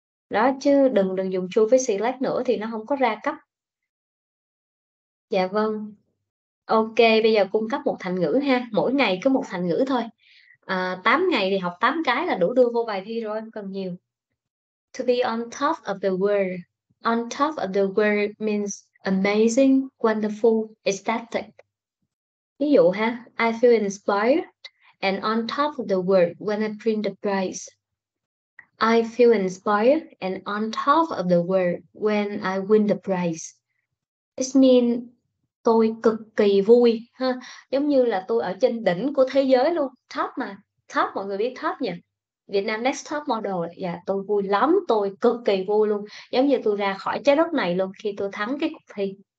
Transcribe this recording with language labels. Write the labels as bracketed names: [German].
[Vietnamese] Đó chứ đừng đừng dùng choose với select nữa thì nó không có ra cấp. Dạ vâng. Ok, bây giờ cung cấp một thành ngữ ha. Mỗi ngày cứ một thành ngữ thôi. À, 8 ngày thì học 8 cái là đủ đưa vô bài thi rồi, không cần nhiều. [English] To be on top of the world. On top of the world means amazing, wonderful, ecstatic. [Vietnamese] Ví dụ ha, [English] I feel inspired and on top of the world when I print the prize. I feel inspired and on top of the world when I win the prize. This means [Vietnamese] tôi cực kỳ vui ha, giống như là tôi ở trên đỉnh của thế giới luôn, top mà. Top mọi người biết top nhỉ? Việt Nam Next Top Model. Dạ yeah, tôi vui lắm, tôi cực kỳ vui luôn, giống như tôi ra khỏi trái đất này luôn khi tôi thắng cái cuộc thi.